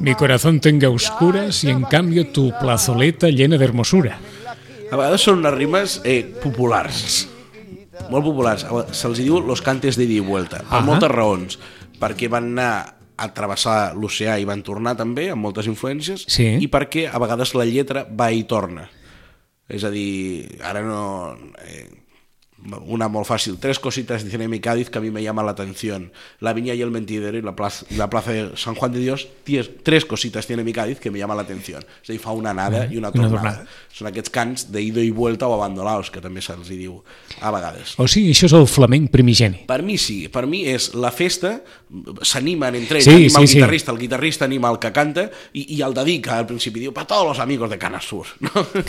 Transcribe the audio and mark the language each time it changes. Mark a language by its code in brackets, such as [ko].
[es] Mi corazón tenga oscuras y en cambio tu plazoleta llena de hermosura. [ca] A vegades són unes rimes populars. Molt populars, se'ls diu [es] los cantes de ida y vuelta, [ca] per moltes raons, perquè van anar a travessar l'oceà i van tornar també, amb moltes influències, sí. I perquè a vegades la lletra va i torna. És a dir, ara no... una molt fàcil, [es] tres cositas dicen en mi Cádiz que a mi me llama la atención, la viña y el mentidero y la plaza de San Juan de Dios, tres cositas tiene mi Cádiz que me llama la atención. [ca] És a dir, fa una anada i una tornada. Són aquests cants de [es] ido y vuelta [ca] o abandonados, que també se'ls diu a vegades. O sigui, això és el flamenc primigeni. Per mi sí, per mi és la festa, s'animen entre ells, sí, anima sí, el guitarrista anima el que canta i el dedica al principi, diu, [es] pa todos los amigos de Cana Sur, [ca] no?